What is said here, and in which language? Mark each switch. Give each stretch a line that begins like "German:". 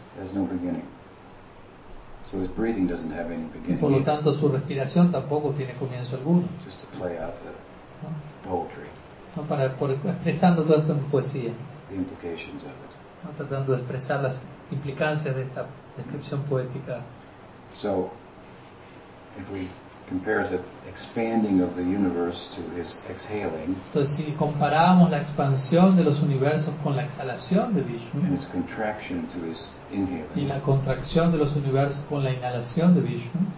English: There's no beginning. So his breathing doesn't have any beginning.
Spanish: Por lo tanto, su respiración tampoco tiene comienzo alguno.
English: Just to play out the poetry.
Spanish: No, para expresando todo esto en poesía.
English: The implications of it.
Spanish: No, tratando de expresar las implicancias de esta descripción poética.
English: So, if we compare the expanding of the universe to his exhaling,
Spanish: entonces si comparamos la expansión de los universos con la exhalación de Vishnu,
English: and his contraction to his inhaling,
Spanish: y la contracción de los universos con la inhalación de Vishnu,